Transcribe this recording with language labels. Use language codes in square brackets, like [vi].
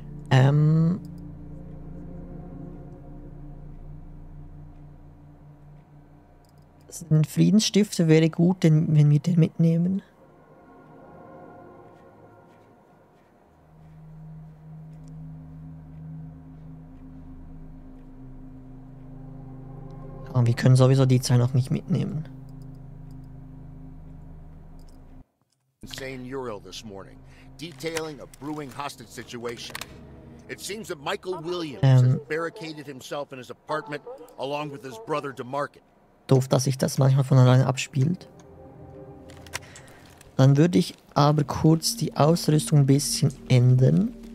[de] Ein Friedensstifter wäre gut, wenn wir den mitnehmen. Aber wir können sowieso die zwei noch nicht mitnehmen. St. [en] Uriel this morning, detailing a brewing hostage situation. It seems that Michael Williams has barricaded himself in his apartment along with his brother DeMarcus. [de] Doof, dass sich das manchmal von alleine abspielt. Dann würde ich aber kurz die Ausrüstung ein bisschen ändern.